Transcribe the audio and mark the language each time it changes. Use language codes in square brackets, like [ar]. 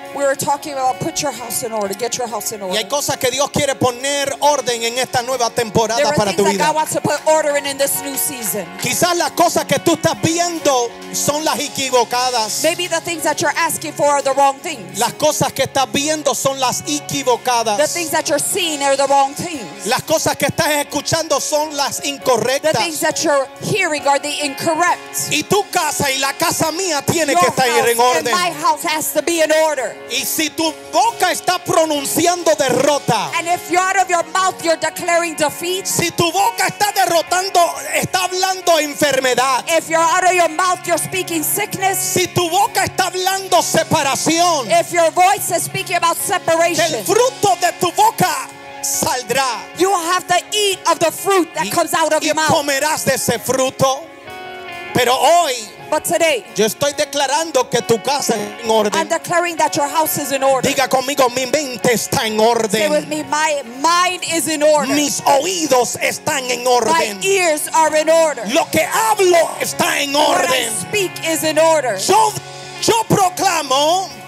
[en] We were talking about put your house in order, get your house in order. [es] Y hay cosas que Dios quiere poner orden en esta nueva temporada para tu vida. [en] There are things that God wants to put order in this new season. [es] Quizás las cosas que tú estás viendo son las equivocadas. [en] Maybe the things that you're asking for are the wrong things. [es] Las cosas que estás viendo son las equivocadas. [en] The things that you're seeing are the wrong things. [es] Las cosas que estás escuchando son las incorrectas. [en] The things that you're hearing are the incorrect. [es] Y tu casa y la casa mía tiene que estar en orden. [en] And my house has to be in order. [es] Y si tu boca está pronunciando derrota, [en] and if you're out of your mouth, you're declaring defeat. [es] Si tu boca está derrotando, está hablando enfermedad. [en] If you're out of your mouth, you're speaking sickness. [es] Si tu boca está hablando separación, [en] if your voice is speaking about separation, [es] el fruto de tu boca saldrá. [en] You will have to eat of the fruit that comes out of your mouth. [es] Y comerás de ese fruto. Pero hoy, [en] but today, [es] yo estoy declarando que tu casa es en orden. [en] I'm declaring that your house is in order. [es] Diga conmigo, mi mente está en orden. [en] Say with me, my mind is in order. [es] Mis oídos están en orden. [en] My ears are in order. [es] Lo que hablo está en orden. [en] What I speak is in order. [es] Yo proclamo,